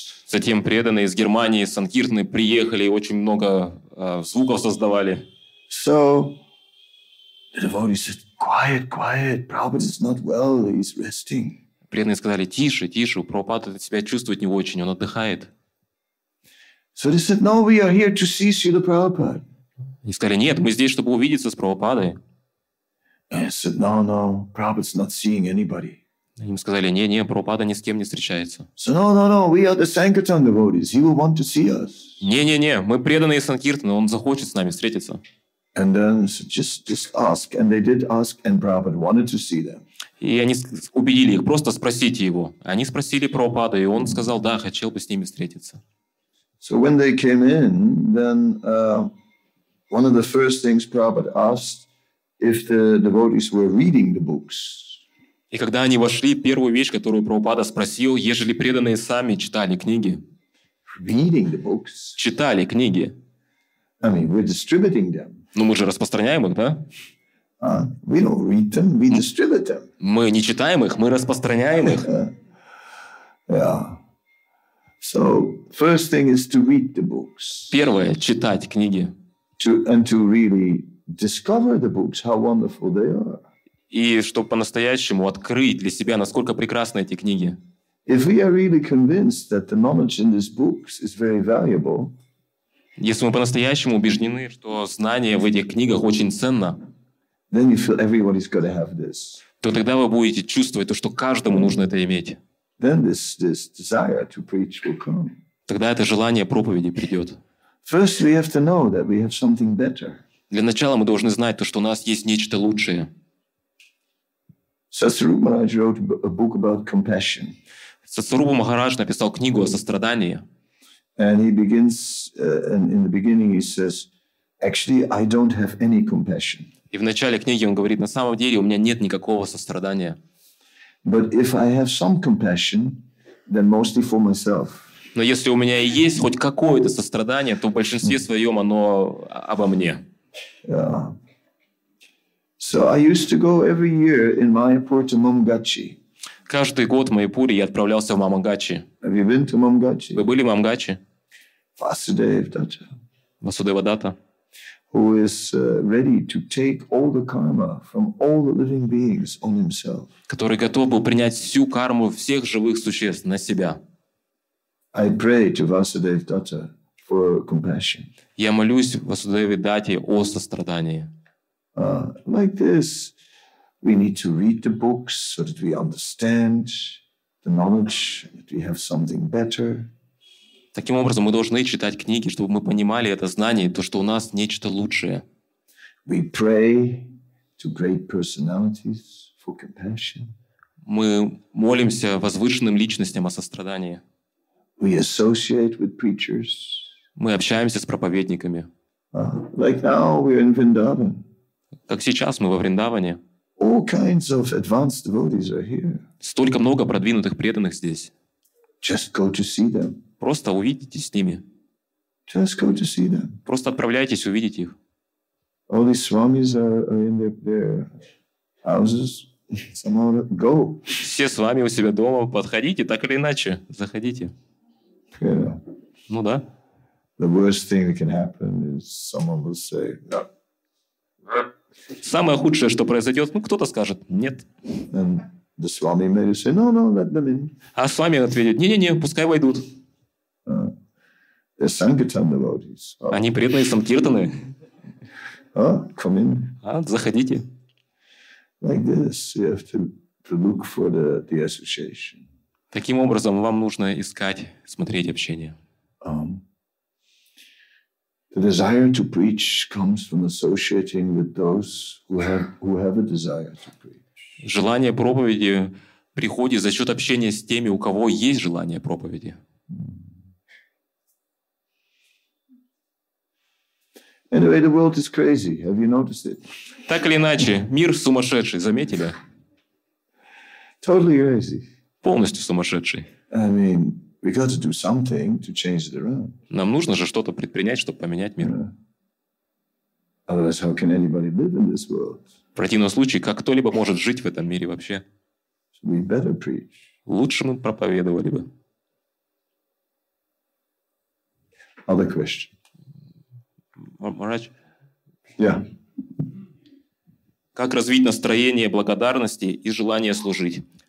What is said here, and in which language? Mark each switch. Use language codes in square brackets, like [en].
[ru] Затем преданные из Германии, санкиртны, приехали и очень много звуков создавали. [en] So, the devotees said, quiet, quiet, Prabhupada is not well, he's resting. [ru] Преданные сказали, тише, тише, Прабхупада себя чувствует не очень, он отдыхает. [en] So they said, no, we are here to see Srila Prabhupada. [ru] И сказали, нет, мы здесь, чтобы увидеться с Прабхупадой. [en] I said, no, Prabhupada's not seeing anybody. [ru] Им сказали, не, Прабхупада ни с кем не встречается. [en] So, no, we are the Sankirtan devotees. He will want to see us. [ru] Не, мы преданные Санкиртаны, он захочет с нами встретиться. [en] And then just ask. And they did ask, and Prabhupada wanted to see them. [ru] И они убедили их, просто спросите его. Они спросили Прабхупаду, и он сказал, да, хотел бы с ними встретиться. [en] So when they came in, then... One of the first things Prabhupada asked if the devotees were reading the books. [ru] И когда они вошли, первую вещь, которую Прабхупада спросил, ежели преданные сами читали книги? [en] Reading the books. [ru] Читали книги. [en] I mean, we're distributing them. [ru] Ну, мы же распространяем их, да? [en] We don't read them, we distribute them. [ru] Мы не читаем их, мы распространяем их. [en] Yeah. So, first thing is to read the books. [ru] Первое – читать книги. [en] And to really discover the books, how wonderful they are. [ru] И чтобы по-настоящему открыть для себя, насколько прекрасны эти книги. [en] If we are really convinced that the knowledge in these books is very valuable. [ru] Если мы по-настоящему убеждены, что знание в этих книгах очень ценно. [en] Then you feel everybody's got to have this. [ru] То тогда вы будете чувствовать то, что каждому нужно это иметь. [en] Then this desire to preach will come. [ru] Тогда это желание проповеди придет. [en] First, we have to know that we have something better. [ru] Для начала мы должны знать то, что у нас есть нечто лучшее. [en] Сасарупа Махарадж wrote a book about compassion. [ru] Сасарупа Махарадж написал книгу о сострадании. [en] And he begins, and in the beginning he says, actually, I don't have any compassion. [ru] И в начале книги он говорит, на самом деле у меня нет никакого сострадания. [en] But if I have some compassion, then mostly for myself. [ru] Но если у меня и есть хоть какое-то сострадание, то в большинстве своем оно обо мне. [en] Yeah. So I used to go every year in Mayapur to Mamgachi. [ru] Каждый год в Майпуре я отправлялся в Мамгачи. [en] Have you been to Mamgachi? [ru] Вы были в Мамгачи? [en] Vasudev Datta. Vasudeva Datta. Who is ready to take all the karma from all the living beings on himself? [ru] Который готов был принять всю карму всех живых существ на себя. [en] I pray to Vasudev Datta for compassion. [ru] Я молюсь Vasudeva Datte о сострадании. [en] Like this, we need to read the books so that we understand the knowledge that we have something better. [ru] Таким образом, мы должны читать книги, чтобы мы понимали это знание, то, что у нас нечто лучшее. [en] We pray to great personalities for compassion. [ru] Мы молимся возвышенным личностям о сострадании. [en] We associate with preachers. [ru] Мы общаемся с проповедниками. [en] Like now we're in Vrindavan. [ru] Как сейчас мы во Вриндаване. [en] All kinds of advanced devotees are here. [ru] Столько много продвинутых преданных здесь. [en] Just go to see them. [ru] Просто увидите с ними. [en] Just go to see them. [ru] Просто отправляйтесь, увидите их. [en] All these swamis are in their houses. Somehow go. [ru] Все с вами у себя дома, подходите, так или иначе, заходите. [en] Yeah. [ru] Ну да. [en] The worst thing that can happen is someone will say no. [ru] Самое худшее, что произойдет, ну, кто-то скажет «нет». [en] The swami may say, no, no, let them in. [ru] А свами ответит «не-не-не, пускай войдут». [en] They're sankirtan devotees. [ru] Они преданные санкиртаны. [en] Come in. [ru] А, заходите. [en] Like this, you have to look for the association. [ru] Таким образом, вам нужно искать, смотреть общение. [en] The desire to preach comes from associating with those who have a desire to preach. [ru] Желание проповеди приходит за счет общения с теми, у кого есть желание проповеди. [en] Anyway, the world is crazy. Have you noticed it? [ru] Так или иначе, мир сумасшедший. Заметили? [en] Totally crazy. [ru] Полностью сумасшедший. [en] I mean. We got to do something to change it around. [ru] Нам нужно же что-то предпринять, чтобы поменять мир. [en] Otherwise, how can anybody live in this world? [ru] В противном случае, как кто-либо может жить в этом мире вообще? [en] So we better preach. [ru] Лучше мы проповедовали бы. [en] Other question. Марач? Yeah. [ru] Как развить настроение благодарности и желание служить?